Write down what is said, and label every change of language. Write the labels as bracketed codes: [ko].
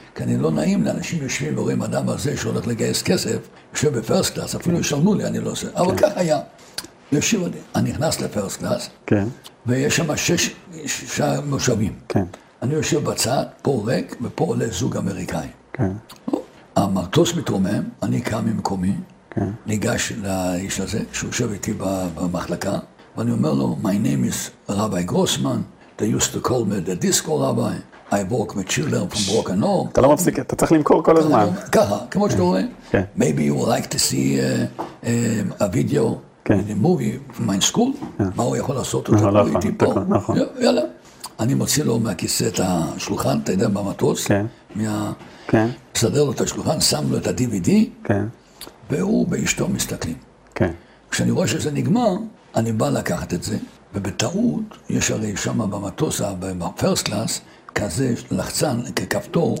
[he] כי אני לא נעים לאנשים יושבים ורואים אדם הזה שהולך לגייס כסף, יושב בפרסט קלאס, אפילו כן. ישלמו לי, אני לא עושה. כן. אבל כך היה. יושב, אני נכנס לפרסט קלאס, כן. ויש שם שש מושבים. כן. אני יושב בצד, פה ריק, ופה עולה זוג אמריקאי. כן. המטוס מתרומם, אני קם ממקומי, כן. ניגש לאיש הזה, שיושב איתי במחלקה, ואני אומר לו, [en] My name is Rabbi Grossman, They used to call me the disco rabbi. I work with children from broken home. [he] אתה לא מפסיק, אתה צריך למכור כל הזמן. ככה, כמו שאתה רואה. [en] Maybe you would like to see a video in a movie from my school. [he] מה הוא יכול לעשות אותו? נכון, נכון. יאללה. אני מוציא לו מהכיסא את השולחן, אתה יודע, במטוס. כן. מסדר לו את השולחן, שם לו את ה-DVD. כן. והוא באשתו מסתכלים. כן. כשאני רואה שזה נגמר, אני בא לקחת את זה. ובטעות, יש הרי שם במטוס, בפרסט קלאס, כזה לחצן ככפתור